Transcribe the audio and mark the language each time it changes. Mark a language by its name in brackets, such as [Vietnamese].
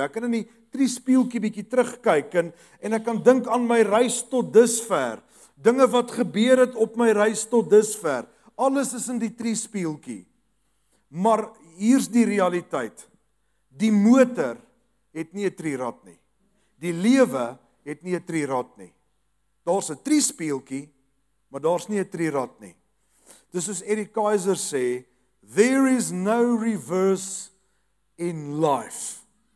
[Afrikaans] Ek kan in die triespieeltjie bietjie terugkyk en ek kan dink aan my reis tot dusver. Dinge wat gebeur het op my reis tot dusver. Alles is in die triespieeltjie. Maar hier's die realiteit. Die motor het nie 'n trierad nie. Die lewe het nie 'n trierad nie. Daar's 'n triespieeltjie. Maar daar's nie 'n trierad nie. Dis soos Eric Kaiser sê, [English] there is no reverse in life.